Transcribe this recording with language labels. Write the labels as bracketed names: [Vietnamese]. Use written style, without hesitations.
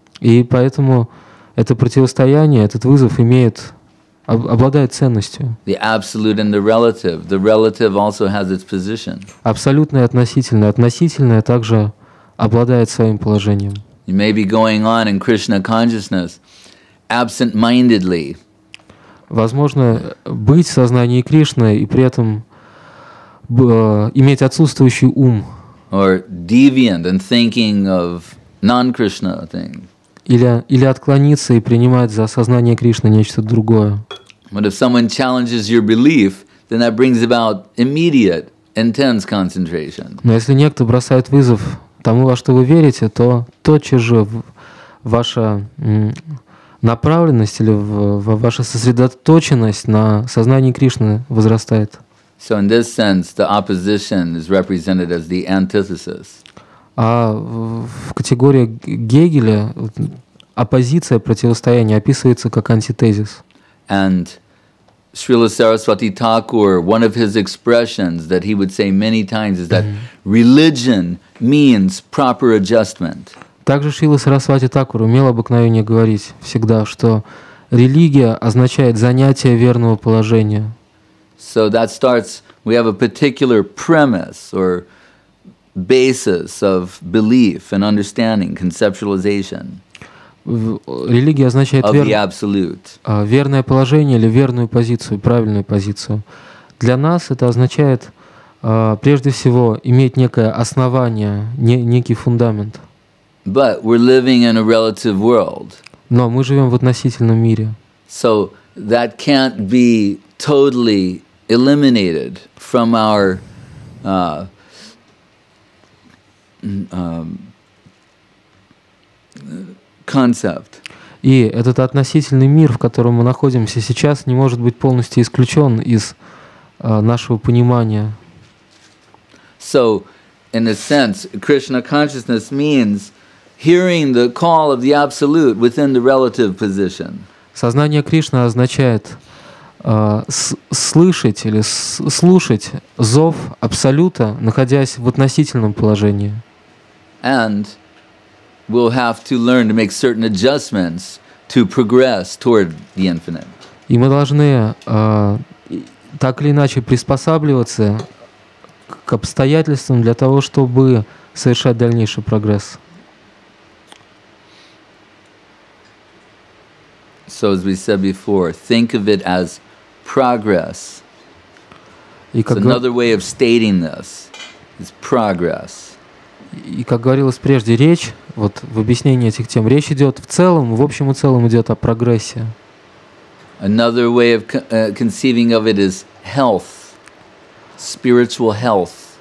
[Russian] И поэтому это противостояние, этот вызов имеет, обладает ценностью. [English] The absolute and the relative. The relative also has its position. [Russian] Абсолютное и относительное. Относительное также обладает своим положением. [English] You may be going on in Krishna consciousness absent-mindedly. [Russian] Возможно, быть в сознании Кришны и при этом иметь отсутствующий ум. [English] Or deviant and thinking of non-Krishna thing. [Russian] Или отклониться и принимать за сознание Кришны нечто другое. [English] But if someone challenges your belief, then that brings about immediate, intense concentration. [Russian] Но если некто бросает вызов тому, во что вы верите, то тотчас же ваша направленность или ваша сосредоточенность на сознании Кришны возрастает. [English] So in this sense, the opposition is represented as the antithesis. [Russian] А в категории Гегеля оппозиция, противостояние описывается как антитезис. [English] And Srila Saraswati Thakur, one of his expressions that he would say many times is that religion means proper adjustment. [Russian] Также Шрила Сарасвати Такур имел обыкновение говорить всегда, что религия означает занятие верного положения. [English] So that starts, we have a particular premise or basis of belief and understanding, conceptualization. [Russian] Религия означает [English] of the absolute. [Russian] Верное положение или верную позицию, правильную позицию. Для нас это означает прежде всего иметь некое основание, некий фундамент. [English] But we're living in a relative world. [Russian] Но мы живем в относительном мире. [English] So that can't be totally eliminated from our concept. [Russian] И этот относительный мир, в котором мы находимся сейчас, не может быть полностью исключен из нашего понимания. [English] So, in a sense, Krishna consciousness means hearing the call of the absolute within the relative position. [Russian] Сознание Кришны означает слышать или слушать зов абсолюта, находясь в относительном положении. [English] And we'll have to learn to make certain adjustments to progress toward the infinite. [Russian] И мы должны так или иначе приспосабливаться к обстоятельствам для того, чтобы совершать дальнейший прогресс. [English] So as we said before, think of it as progress. It's another way of stating this. It's progress. [Russian] И как говорилось прежде, речь, вот в объяснении этих тем, речь идет в целом, в общем и целом идет о прогрессе. [English] Another way of conceiving of it is health, spiritual health.